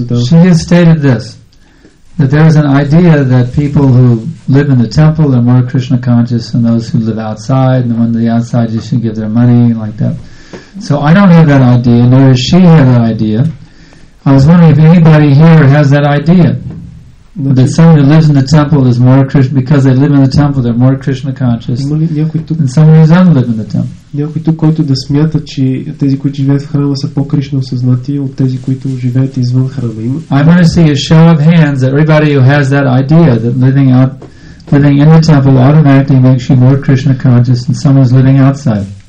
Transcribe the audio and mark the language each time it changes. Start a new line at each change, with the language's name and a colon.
English: She has stated this, that there is an idea that people who live in the temple are more Krishna conscious than those who live outside, and when the outside you should give their money like that. So I don't have that idea, nor does she have that idea. I was wondering if anybody here has that idea that someone who lives in the temple is more Krishna, because they live in the temple, they're more Krishna conscious than someone who doesn't live in the temple.
Bulgarian: Някой тук, който да смята, че тези, които живеят в храма, са по-кришна осъзнати от тези, които живеят извън храма.
English: I want to see a show of hands that everybody who has that idea that living in the temple automatically makes you more Krishna conscious than someone who's living outside.